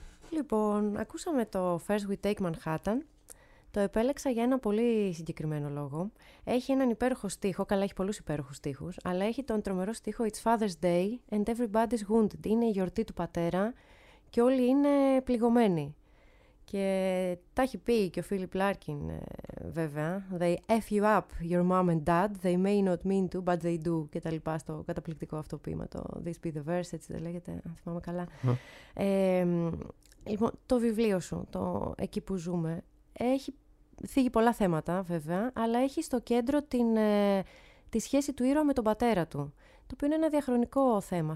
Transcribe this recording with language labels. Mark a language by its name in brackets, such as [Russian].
[Greek] Λοιπόν, ακούσαμε το First We Take Manhattan. Το επέλεξα για ένα πολύ συγκεκριμένο λόγο. Έχει έναν υπέροχο στίχο, καλά έχει πολλούς υπέροχους στίχους, αλλά έχει τον τρομερό στίχο [English] It's Father's Day and everybody's wounded. [Greek] Είναι η γιορτή του πατέρα και όλοι είναι πληγωμένοι. Και τα έχει πει και ο Φίλιπ Λάρκιν βέβαια. [English] They F you up, your mom and dad. They may not mean to, but they do. [Greek] Και τα λοιπά στο καταπληκτικό αυτό ποίημα, το This be the verse, έτσι δεν λέγεται, αν θυμάμαι καλά. Λοιπόν, το βιβλίο σου, το «Εκεί που ζούμε», έχει θίγει πολλά θέματα βέβαια, αλλά έχει στο κέντρο τη σχέση του ήρωα με τον πατέρα του, το οποίο είναι ένα διαχρονικό θέμα.